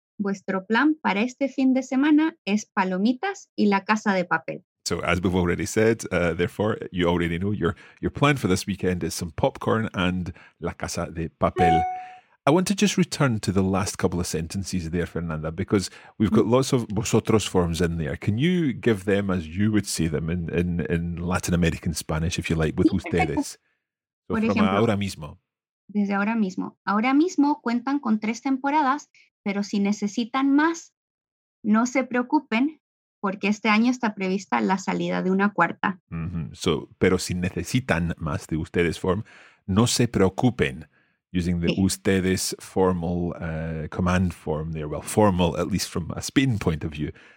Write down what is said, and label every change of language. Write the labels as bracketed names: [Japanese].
[Spanish] Vuestro plan para este fin de semana es palomitas y La Casa de Papel. [English] So, as we've already said, therefore, you already know your plan for this weekend is some popcorn and La Casa de Papel. I want to just return to the last couple of sentences there, Fernanda, because we've got lots of vosotros forms in there. Can you give them as you would say them in Latin American Spanish, if you like, with ustedes? [Spanish] So, por ejemplo, [English] from ahora mismo. [Spanish] Desde ahora mismo. Ahora mismo cuentan con tres temporadas, pero si necesitan más, no se preocupen, porque este año está prevista la salida de una cuarta. Mm-hmm. So, pero si necesitan más de ustedes form, no se preocupen, [English] using the [Spanish] sí. [English] Ustedes formal command form there. Well, formal, at least from a Spain point of view.